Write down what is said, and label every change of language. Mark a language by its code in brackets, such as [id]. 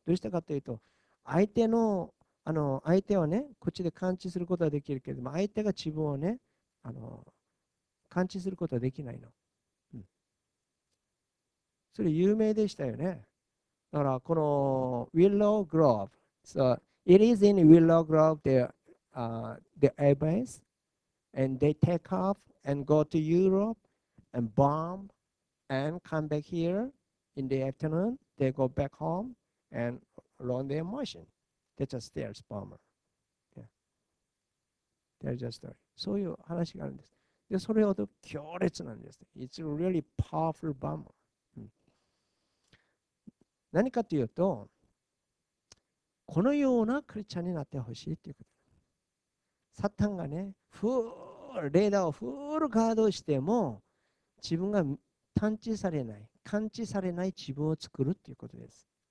[ja] どうしたかというと、相手はね、こっちで感知することはできるけれども、相手が自分をね、感知することはできないの。それ有名でしたよね。だから、この Willow Grove。 [en] So, it is in Willow Grove, the airbase, and they take off and go to Europe and bomb and come back here in the afternoon. They go back home and run their machine. That's a stealth bomber. There's a story. [ja] そういう話があるんです。で、それほど強烈なんです。 [en] It's a really powerful bomber. [ja] 何かというと、このようなクリスチャンになってほしいということ。サタンがね、レーダーをフルガードしても、自分が探知されない、感知されない自分を作るということです。